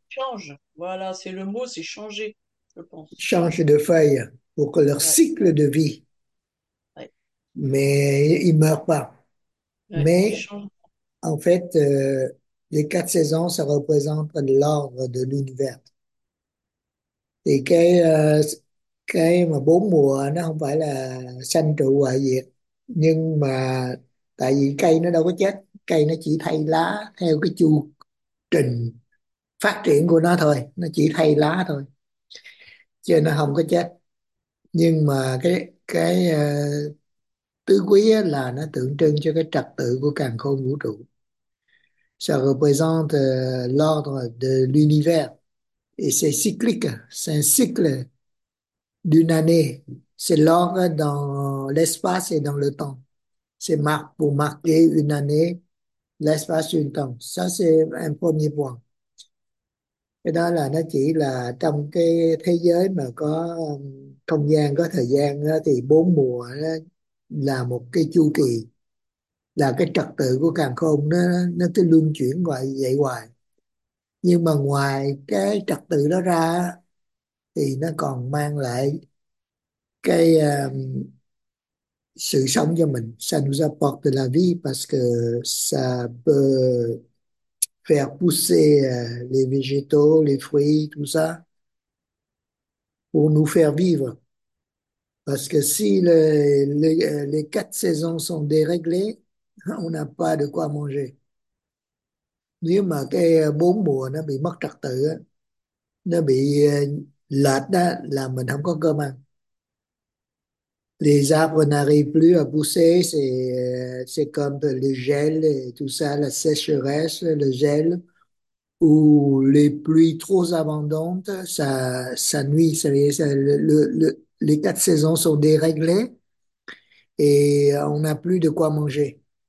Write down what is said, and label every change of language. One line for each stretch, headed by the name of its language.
French: Change, voilà, c'est le mot, c'est changer, je pense. Changer de feuilles pour que leur cycle de vie. Mais il meurt pas. Ouais, il Mais change. en fait, les quatre saisons, ça représente l'ordre de l'univers.
Vietnamese: Et cái mà bốn mùa nó không phải là sanh trụ bại diệt, nhưng mà tại vì cây nó đâu có chết, cây nó chỉ thay lá theo cái chu trình phát triển của nó thôi, nó chỉ thay lá thôi, chứ nó không có chết. Nhưng mà cái tứ quý á, là nó tượng trưng cho cái trật tự của càn khôn vũ trụ.
French: Ça représente l'ordre de l'univers. Et c'est cyclique. C'est un cycle d'une année. C'est l'ordre dans l'espace et dans le temps. C'est pour marquer une année, l'espace une temps. Ça, c'est un premier point.
Vietnamese: Cái đó là nó chỉ là trong cái thế giới mà có không gian, có thời gian đó, thì bốn mùa đó là một cái chu kỳ, là cái trật tự của càn khôn nó cứ luân chuyển vậy vậy hoài. Nhưng mà ngoài cái trật tự đó ra thì nó còn mang lại cái sự sống cho mình.
French: Ça nous apporte de la vie parce que ça peut faire pousser les végétaux, les fruits, tout ça, pour nous faire vivre. Parce que si les quatre saisons sont déréglées, on n'a pas de quoi manger. Nếu mà cái bốn mùa nó bị mất trật tự, nó bị lệch đó, là mình không có cơm ăn. Les arbres n'arrivent plus à pousser, c'est comme le gel et tout ça, la sécheresse, le gel, ou les pluies trop abondantes, ça nuit, ça, les quatre saisons sont déréglées et on n'a plus de quoi manger.